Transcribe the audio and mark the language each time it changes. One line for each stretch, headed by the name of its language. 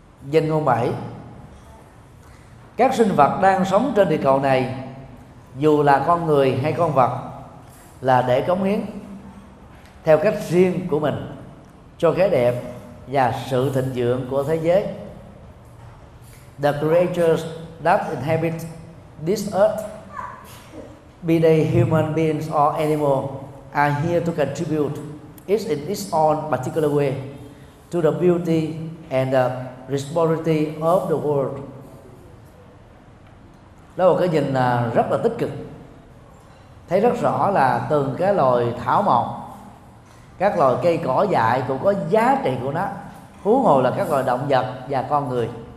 Vietnamese: Danh ngôn 7: các sinh vật đang sống trên địa cầu này, dù là con người hay con vật, là để cống hiến theo cách riêng của mình cho cái đẹp và sự thịnh vượng của thế giới.
English: The creatures that inhabit this earth, be they human beings or animals, are here to contribute, each in its own particular way, to the beauty and the responsibility of the world.
Vietnamese: Đó là cái nhìn rất là tích cực. Thấy rất rõ là từng cái loài thảo mộc, các loài cây cỏ dại cũng có giá trị của nó, huống hồ là các loài động vật và con người.